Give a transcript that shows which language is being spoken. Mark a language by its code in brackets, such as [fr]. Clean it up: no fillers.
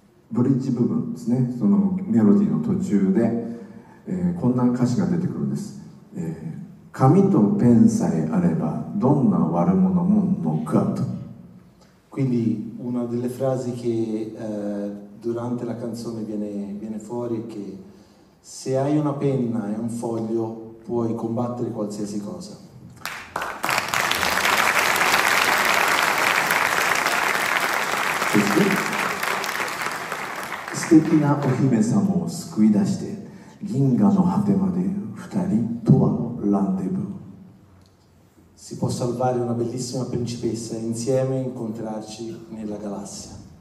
[ja] Bridge 部分ですね。そのメロディーの途中で。こんな歌詞が出てくるんです。紙とペンさえあればどんな悪者もノックアウト。 [it] Quindi una delle frasi che durante la canzone viene fuori è che se hai una penna e un foglio puoi combattere qualsiasi cosa. [ja] ステキなお姫様を救い出して銀河の果てまで二人とはのランデブー。 [it] Si può salvare una bellissima principessa e insieme incontrarci nella galassia.